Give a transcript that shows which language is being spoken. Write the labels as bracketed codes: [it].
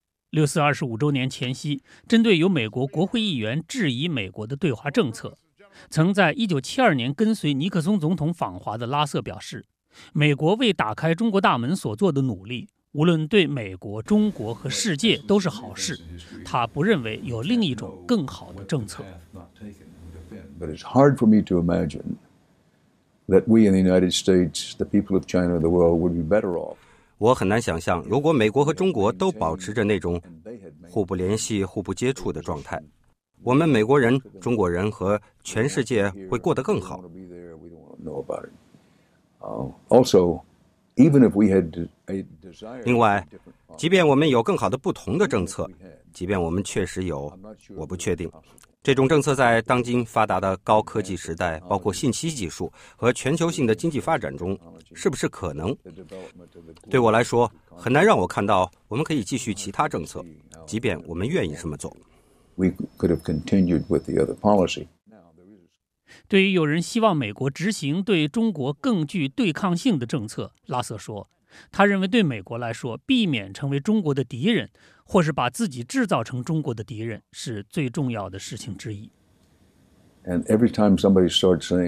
[zh] 六四二十五周年前夕，针对由美国国会议员质疑美国的对华政策，曾在1972年跟随尼克松总统访华的拉瑟表示，美国为打开中国大门所做的努力，无论对美国、中国和世界都是好事。他不认为有另一种更好的政策。 [en] But it's hard for me to imagine that we in the United States, the people of China, the world would be better off. [zh] 我很难想象，如果美国和中国都保持着那种互不联系、互不接触的状态，我们美国人、中国人和全世界会过得更好。另外，即便我们有更好的不同的政策，即便我们确实有，我不确定，这种政策在当今发达的高科技时代，包括信息技术和全球性的经济发展中，是不是可能？对我来说，很难让我看到我们可以继续其他政策，即便我们愿意这么做。 [en] We could have continued with the other policy. [zh] 对于有人希望美国执行对中国更具对抗性的政策，拉瑟说，他认为对美国来说，避免成为中国的敌人，或是把自己制造成中国的敌人，是最重要的事情之一。 [en] And every time somebody starts saying,